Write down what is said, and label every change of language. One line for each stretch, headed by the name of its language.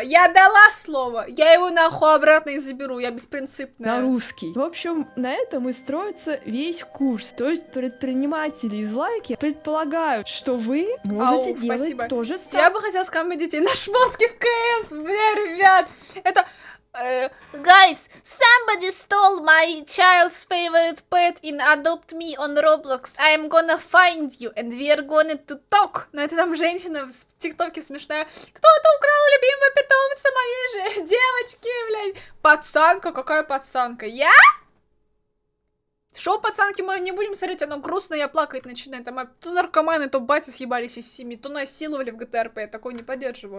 Russian: Я дала слово. Я его нахуй обратно и заберу. Я беспринципная. На русский. В общем, на этом и строится весь курс. То есть предприниматели из лайки предполагают, что вы можете делать спасибо. То же самое. Я бы хотела скамить детей на шмотки в КС. Бля, ребят. Это...
English: guys, somebody stole my child's favorite pet in Adopt Me on Roblox. I'm gonna find you and we are gonna to talk.
Russian: Но это там женщина в ТикТоке смешная. Кто-то украл любимого питомца моей же девочки, блядь. Пацанка, какая пацанка? Я? Шоу, пацанки мои, не будем смотреть, оно грустно, я плакать начинаю. Там то наркоманы, то батя съебались из семьи, то насиловали в ГТРП, я такое не поддерживаю.